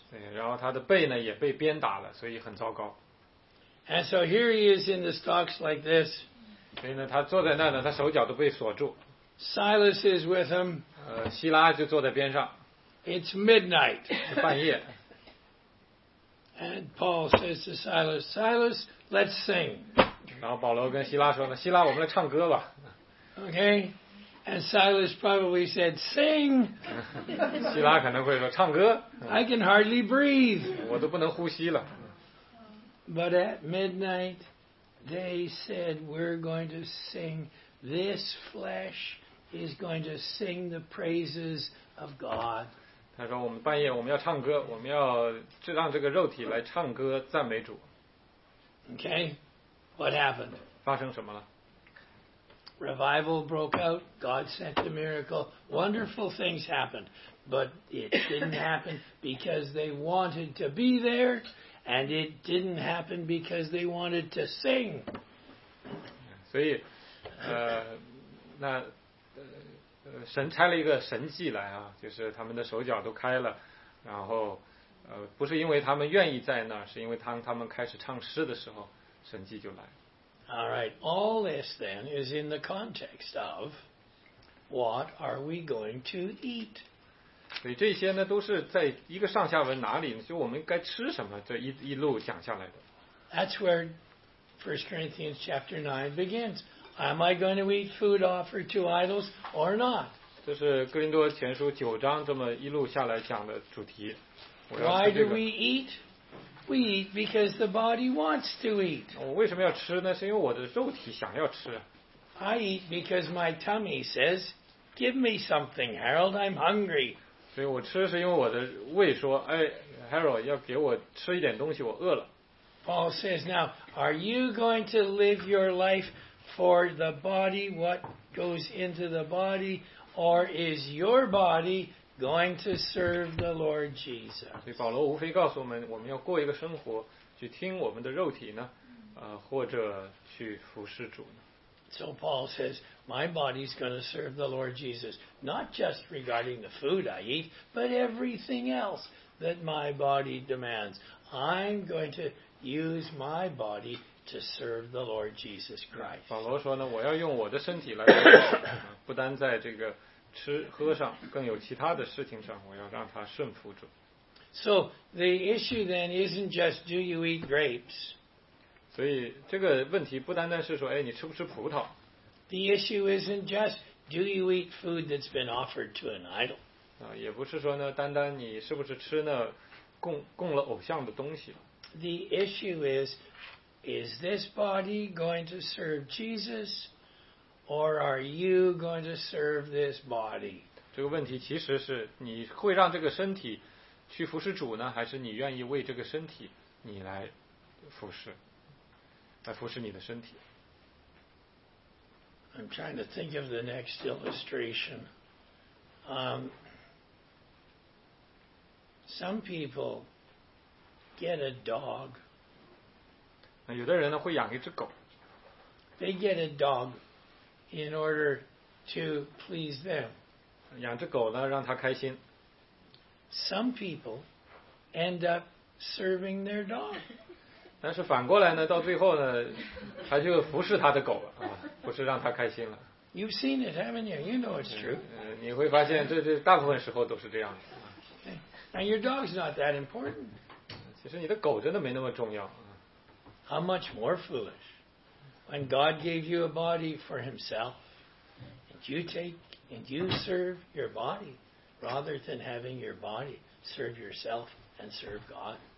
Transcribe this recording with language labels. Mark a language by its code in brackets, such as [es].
[zh] 对，然后他的背呢也被鞭打了，所以很糟糕。 [en] And so here he is in the stocks like this. [zh] 所以呢，他坐在那呢，他手脚都被锁住。 [en] Silas is with him. [zh] 希拉就坐在边上。 [en] It's midnight. [zh] 半夜。 [en] And Paul says to Silas, Silas, let's sing. [zh] 然后保罗跟希拉说呢，希拉，我们来唱歌吧。 [en] Okay, and Silas probably said, sing. [zh] 希拉可能会说唱歌。 [en] I can hardly breathe. [zh] 我都不能呼吸了。 [en] But at midnight, they said, we're going to sing. This flesh is going to sing the praises of God. [zh] 他说我们半夜我们要唱歌，我们要让这个肉体来唱歌赞美主。 [en] Okay. What happened? [zh] 发生什么了？ [en] Revival broke out. God sent a miracle. Wonderful things happened. But it didn't happen because they wanted to be there. And it didn't happen because they wanted to sing. [zh] 所以那神拆了一个神迹来啊，就是他们的手脚都开了，然后不是因为他们愿意在那儿，是因为他们开始唱诗的时候，神迹就来。 [en] All right, all this then is in the context of what are we going to eat? [zh] 所以这些呢都是在一个上下文哪里呢，就我们该吃什么，这一路讲下来的。 [en] That's where 1 Corinthians chapter 9 begins. Am I going to eat food offered to idols or not? [zh] 这是哥林多前书九章这么一路下来讲的主题。 [en] Why do we eat? We eat because the body wants to eat. [zh] 我为什么要吃呢？是因为我的肉体想要吃。 [en] I eat because my tummy says, "Give me something, Harold. I'm hungry." [zh] 所以我吃是因为我的胃说，哎 ，Harold 要给我吃一点东西，我饿了。 [en] Paul says, "Now, are you going to live your life for the body, what goes into the body, or is your body going to serve the Lord Jesus. [zh] 所以保罗无非告诉我们，我们要过一个生活，去听我们的肉体呢，或者去服侍主呢。 [en] So Paul says, my body's going to serve the Lord Jesus, not just regarding the food I eat, but everything else that my body demands. I'm going to use my body to serve the Lord Jesus Christ. [zh] 保罗说呢，我要用我的身体来服侍，不单在这个吃喝上，更有其他的事情上，我要让他顺服主。 [en] So the issue then isn't just do you eat grapes? [zh] 所以这个问题不单单是说，哎，你吃不吃葡萄 [en] ？The issue isn't just do you eat food that's been offered to an idol？ [zh] 啊，也不是说呢，单单你是不是吃那供了偶像的东西 [en] ？The issue is this body going to serve Jesus, or are you going to serve this body？ [zh] 这个问题其实是你会让这个身体去服侍主呢，还是你愿意为这个身体你来服侍？来服侍你的身体。 [en] I'm trying to think of the next illustration. Some people get a dog. [zh] 那有的人呢会养一只狗。 [en] They get a dog in order to please them. [zh] 养只狗呢让他开心。 [en] Some people end up serving their dog. [zh] 但是反过来呢，到最后呢，他就服侍他的狗了啊，不是让他开心了。 [en] You've seen it, haven't you? You know it's true. [zh] 你会发现这大部分时候都是这样的。 [en] And your dog's not that important. [zh] 其实你的狗真的没那么重要。 [en] How much more foolish when God gave you a body for Himself, and you take and you serve your body rather than having your body serve yourself and serve God.